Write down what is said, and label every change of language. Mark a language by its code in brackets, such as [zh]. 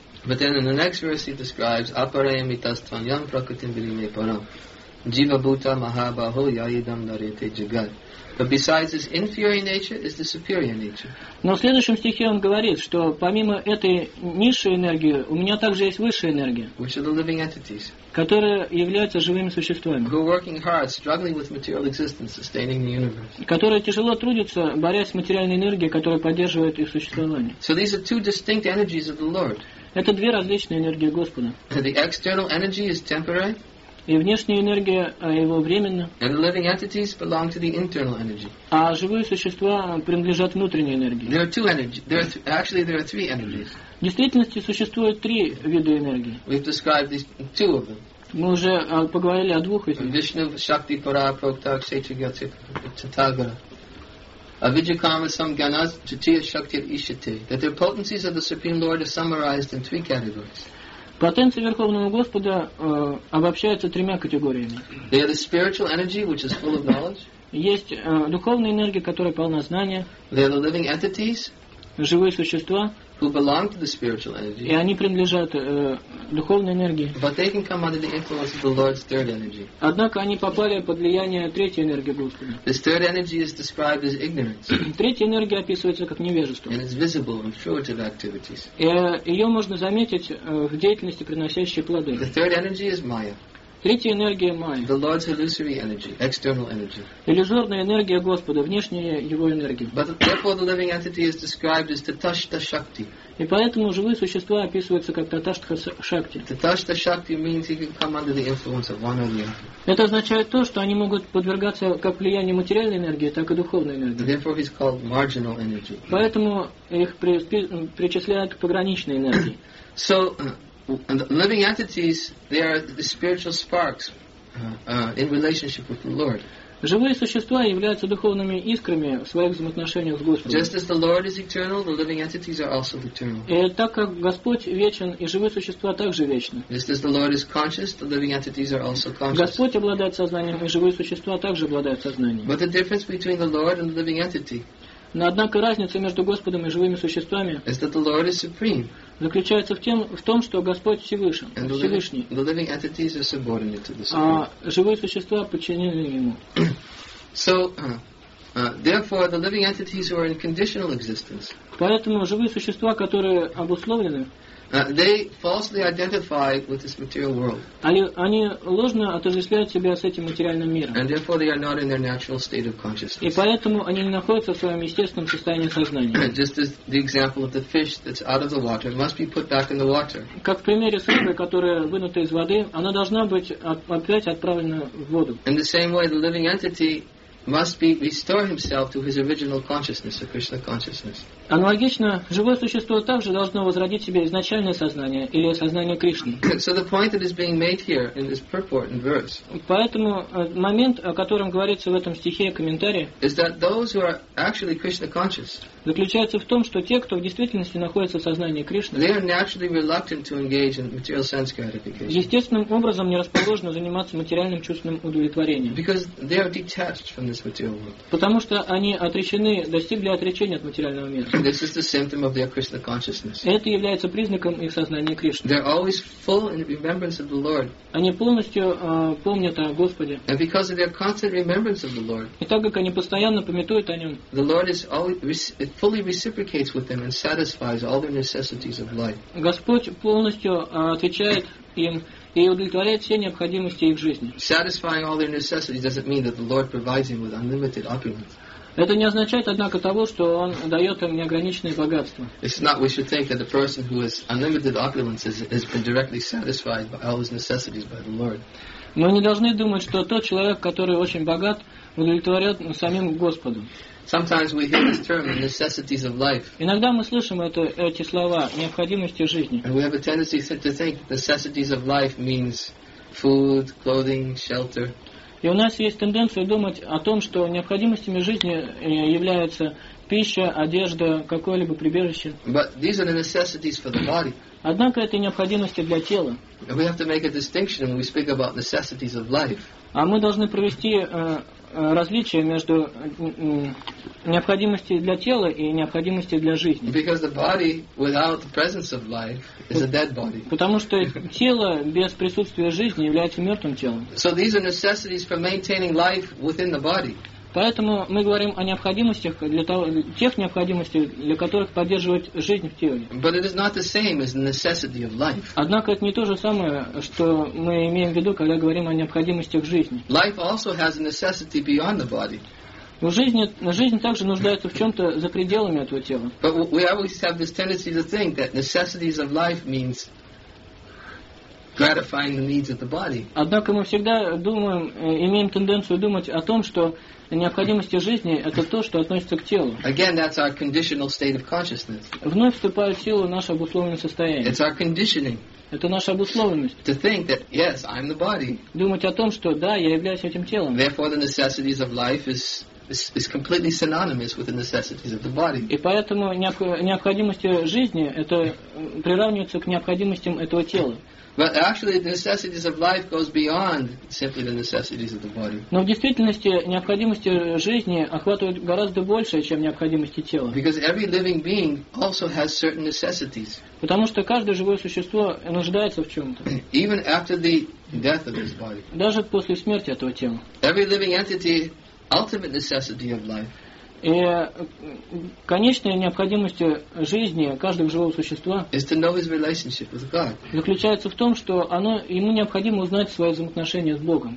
[en] But then in the next verse he describes [sa] apareyam itastvanyam prakritim vilinye param jiva bhuta mahabaho yayidam narete jagat. [en] But besides this inferior nature is the superior nature. [ru] Но в следующем стихе он говорит, что помимо этой низшей энергии, у меня также есть высшая энергия. [en] Which are the living entities. [ru] Которые являются живыми существами. [en] Who are working hard, struggling with material existence, sustaining the universe. [ru] Которые тяжело трудятся, борясь с материальной энергией, которая поддерживает их существование. [en] So these are two distinct energies of the Lord. [ru] Это две различные энергии Господа. [en] The external energy is temporary. [ru] И внешняя энергия его временна. [en] And the living entities belong to the internal energy. [ru] А живые существа принадлежат внутренней энергии. [en] There are two energies. There are three energies. [ru] В действительности существует три вида энергии. [en] We've described these two of them. [ru] Мы уже поговорили о двух из них. [sa] Vishnu, Shakti, Pura, Prokta, Kshetriya, Tathagata. Avijakama sam ganas tatiya shakti ishate. [en] That their potencies of the Supreme Lord are summarized in three categories. [ru] Потенции Верховного Господа обобщаются тремя категориями. [en] They are the spiritual energy, which is full of knowledge. [ru] Есть духовная энергия, которая полна знания. [en] They are the living entities, [ru] живые существа, [en] who belong to the spiritual energy. [ru] И они принадлежат духовной энергии. [en] But they can come under the influence of the Lord's third energy. [ru] Однако они попали под влияние третьей энергии Господа. [en] This third energy is described as ignorance. [ru] Третья энергия описывается как невежество. [en] And it's visible in fruitive activities. [ru] И ее можно заметить в деятельности, приносящей плоды. [en] The third energy is Maya. [ru] Третья энергия майя. [en] The Lord's illusory energy, external energy. [ru] Иллюзорная энергия Господа, внешняя его энергия. [en] But therefore the living entity is described as tatashta shakti. [ru] И поэтому живые существа описываются как tatashta shakti. [en] Tatashta shakti means he can come under the influence of one or the other. [ru] Это означает то, что они могут подвергаться как влиянию материальной энергии, так и духовной энергии. [en] And therefore he's called marginal energy. [ru] Поэтому их причисляют к пограничной энергии. [en] So and the living entities, they are the spiritual sparks in relationship with the Lord. [ru] Живые существа являются духовными искрами в своих взаимоотношениях с Господом. [en] Just as the Lord is eternal, the living entities are also eternal. [ru] И так как Господь вечен, и живые существа также вечны. [en] Just as the Lord is conscious, the living entities are also conscious. [ru] Господь обладает сознанием, и живые существа также обладают сознанием. [en] But the difference between the Lord and the living entity. [ru] Но однако разница между Господом и живыми существами [en] is that the Lord is supreme. [ru] Заключается в том, что Господь Всевышний. [en] And the living entities are subordinate to the Supreme. [ru] А живые существа подчинены Ему. [en] So, therefore, the living entities who are in conditional existence. [ru] Поэтому живые существа, которые обусловлены, [en] they falsely identify with this material world. [ru] Они ложно отождествляют себя с этим материальным миром. [en] And therefore they are not in their natural state of consciousness. [ru] И поэтому они не находятся в своем естественном состоянии сознания. [en] Just as the example of the fish that's out of the water must be put back in the water. [ru] Как в примере с рыбой, которая вынута из воды, она должна быть опять отправлена в воду. [en] In the same way, the living entity must be restore himself to his original consciousness, to Krishna consciousness. [ru] Аналогично, живое существо также должно возродить себе изначальное сознание или сознание Кришны. [en] So the point that is being made here in this purport and verse. [ru] Поэтому момент, о котором говорится в этом стихе и комментарии, [en] is that those who are actually Krishna conscious. [ru] Заключается в том, что те, кто в действительности находится в сознании Кришны, [en] they are naturally reluctant to engage in material sense gratification. [ru] Естественным образом не расположены заниматься материальным чувственным удовлетворением. [en] Because they are detached from this material world. [ru] Потому что они отречены, достигли отречения от материального мира. [en] This is the symptom of their Krishna consciousness. [ru] Это является признаком их сознания Кришны. [en] They are always full in remembrance of the Lord. [ru] Они полностью помнят о Господе. [en] And because of their constant remembrance of the Lord. [ru] И так как они постоянно памятуют о нем. [en] The Lord is always it fully reciprocates with them and satisfies all their necessities of life. [ru] Господь полностью отвечает им и удовлетворяет все необходимости их жизни. [en] Satisfying all their necessities doesn't mean that the Lord provides him with unlimited opulence. [ru] Это не означает, однако, того, что он дает им неограниченное богатство. [en] It's not we should think that the person who has unlimited opulence has been directly satisfied by all his necessities by the Lord. [ru] Мы не должны думать, что тот человек, который очень богат, удовлетворяет самим Господом. [en] Sometimes we hear this term, the necessities of life. [ru] Иногда мы слышим эти слова, необходимости жизни. [en] And we have a tendency to think necessities of life means food, clothing, shelter. [ru] И у нас есть тенденция думать о том, что необходимостями жизни являются пища, одежда, какое-либо прибежище. [en] But these are the necessities for the body. [ru] Однако это необходимости для тела. [en] And we have to make a distinction when we speak about necessities of life. [ru] А мы должны провести различие между необходимостью для тела и необходимостью для жизни. [en] Because the body without the presence of life is a dead body. [ru] Потому что тело без присутствия жизни является мертвым телом. [en] So these are necessities for maintaining life within the body. [ru] Поэтому мы говорим о необходимостях для того, тех необходимостях, для которых поддерживать жизнь в теле. [en] But it is not the same as the necessity of life. [ru] Однако это не то же самое, что мы имеем в виду, когда говорим о необходимостях жизни. [en] Life also has a necessity beyond the body. [ru] В жизнь также нуждается в чем-то за пределами этого тела. [en] But we always have this tendency to think that necessities of life means gratifying the needs of the body. [ru] Однако мы всегда думаем, имеем тенденцию думать о том, что необходимости жизни – это то, что относится к телу. [en] Again, that's our conditional state of consciousness. [ru] Вновь вступает в силу наше обусловленное состояние. [en] It's our conditioning. [ru] Это наша обусловленность. [en] To think that, yes, I'm the body. [ru] Думать о том, что да, я являюсь этим телом. [en] Therefore, the necessities of life is completely synonymous with the necessities of the body. [ru] И поэтому необходимости жизни – это приравнивается к необходимостям этого тела. [en] But actually, the necessities of life goes beyond simply the necessities of the body. [ru] Но в действительности необходимости жизни охватывают гораздо больше, чем необходимости тела. [en] Because every living being also has certain necessities. [ru] Потому что каждое живое существо нуждается в чем-то. [en] Even after the death of this body. [ru] Даже после смерти этого тела. [en] Every living entity ultimate necessity of life. [ru] И конечная необходимость жизни каждого живого существа заключается в том, что оно, ему необходимо узнать свои взаимоотношения с Богом.